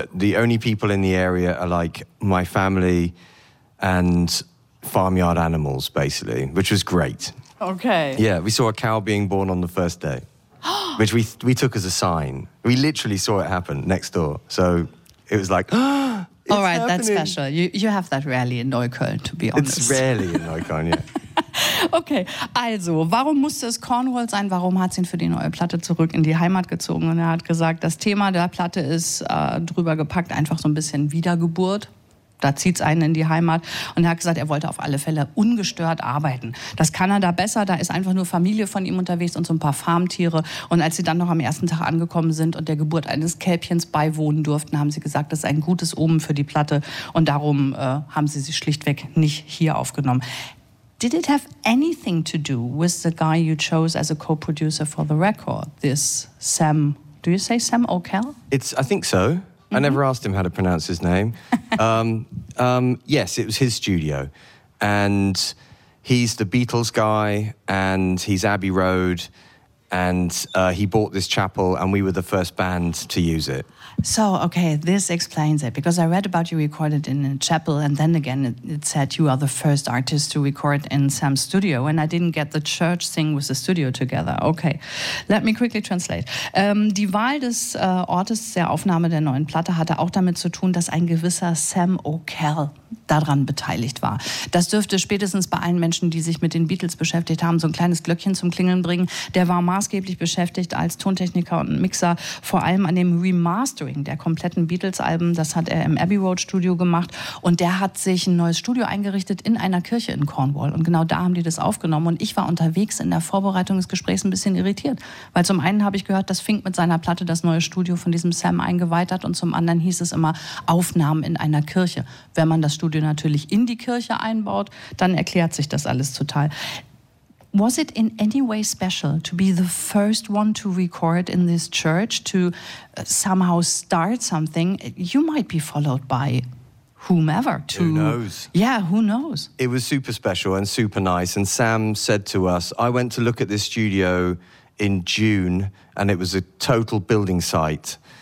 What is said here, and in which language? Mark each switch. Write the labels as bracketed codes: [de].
[en] The only people in the area are like my family and farmyard animals, basically, which was great. Okay. Yeah, we saw a cow being born on the first day. Which we took as a sign. We literally saw it happen next door. So it was like, it's all right, happening. That's special. You have that rarely in Neukölln, to be honest. It's rarely in Neukölln, yeah. [de] Okay, also, warum musste es Cornwall sein? Warum hat es ihn für die neue Platte zurück in die Heimat gezogen? Und er hat gesagt, das Thema der Platte ist drüber gepackt, einfach so ein bisschen Wiedergeburt. Da zieht es einen in die Heimat. Und er hat gesagt, er wollte auf alle Fälle ungestört arbeiten. Das kann er da besser. Da ist einfach nur Familie von ihm unterwegs und so ein paar Farmtiere. Und als sie dann noch am ersten Tag angekommen sind und der Geburt eines Kälbchens beiwohnen durften, haben sie gesagt, das ist ein gutes Omen für die Platte. Und darum haben sie sich schlichtweg nicht hier aufgenommen. [en] Did it have anything to do with the guy you chose as a co-producer for the record? This Sam, do you say Sam O'Kell? It's, I think so. I never asked him how to pronounce his name. Yes, it was his studio. And he's the Beatles guy, and he's Abbey Road, and he bought this chapel, and we were the first band to use it. So, okay, this explains it, because I read about you recorded in a chapel, and then again it said you are the first artist to record in Sam's studio, and I didn't get the church thing with the studio together. Okay, let me quickly translate. [de] Die Wahl des Ortes der Aufnahme der neuen Platte hatte auch damit zu tun, dass ein gewisser Sam O'Kell daran beteiligt war. Das dürfte spätestens bei allen Menschen, die sich mit den Beatles beschäftigt haben, so ein kleines Glöckchen zum Klingeln bringen. Der war maßgeblich beschäftigt als Tontechniker und Mixer, vor allem an dem Remastering der kompletten Beatles-Alben. Das hat er im Abbey Road Studio gemacht. Und der hat sich ein neues Studio eingerichtet in einer Kirche in Cornwall. Und genau da haben die das aufgenommen. Und ich war unterwegs in der Vorbereitung des Gesprächs ein bisschen irritiert. Weil zum einen habe ich gehört, dass Fink mit seiner Platte das neue Studio von diesem Sam eingeweiht hat. Und zum anderen hieß es immer Aufnahmen in einer Kirche. Wenn man das Studio natürlich in die Kirche einbaut, dann erklärt sich das alles total. [en] Was it in any way special to be the first one to record in this church, to somehow start something? You might be followed by whomever. Who knows? Yeah, who knows? It was super special and super nice. And Sam said to us, I went to look at this studio in June and it was a total building site.